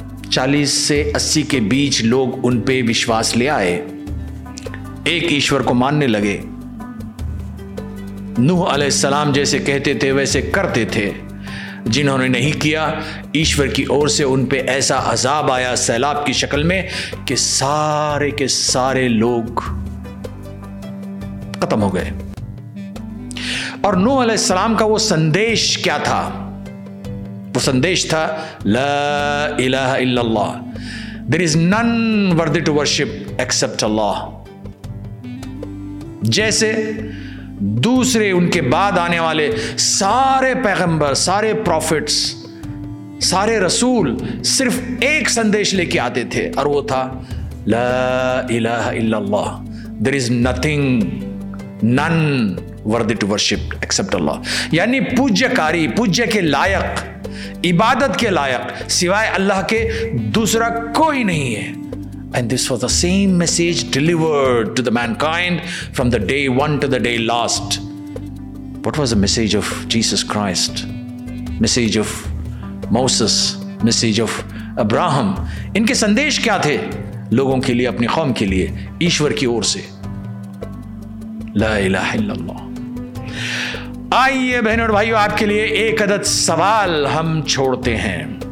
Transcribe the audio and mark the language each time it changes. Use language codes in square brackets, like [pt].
[ur] 40-80 کے بیچ لوگ ان پہ وشواس لے آئے, ایک ایشور کو ماننے لگے, نوح علیہ السلام جیسے کہتے تھے ویسے کرتے تھے, جنہوں نے نہیں کیا ایشور کی اور سے ان پہ ایسا عذاب آیا سیلاب کی شکل میں کہ سارے کے سارے لوگ ختم ہو گئے. اور نوح علیہ السلام کا وہ سندیش کیا تھا, وہ سندیش تھا [ar] لا الہ الا اللہ, [en] there is none worthy to worship except Allah. [ur] جیسے دوسرے ان کے بعد آنے والے سارے پیغمبر, سارے پروفٹس, سارے رسول صرف ایک سندیش لے کے آتے تھے اور وہ تھا [ar] لا الہ الا اللہ, [en] there is nothing, none worthy to worship except Allah. [ur] یعنی پوجیہ کاری, پوجیہ کے لائق, عبادت کے لائق سوائے اللہ کے دوسرا کوئی نہیں ہے. [en] And this was the same message delivered to the mankind from the day one to the day last. What was the message of Jesus Christ? Message of Moses? Message of Abraham? [ur] ان کے سندیش کیا تھے لوگوں کے لیے, اپنی قوم کے لیے, ایشور کی اور سے؟ [ar] لا الہ الا اللہ. [ur] آئیے بہنوں اور بھائیوں, آپ کے لیے ایک عدد سوال ہم چھوڑتے ہیں.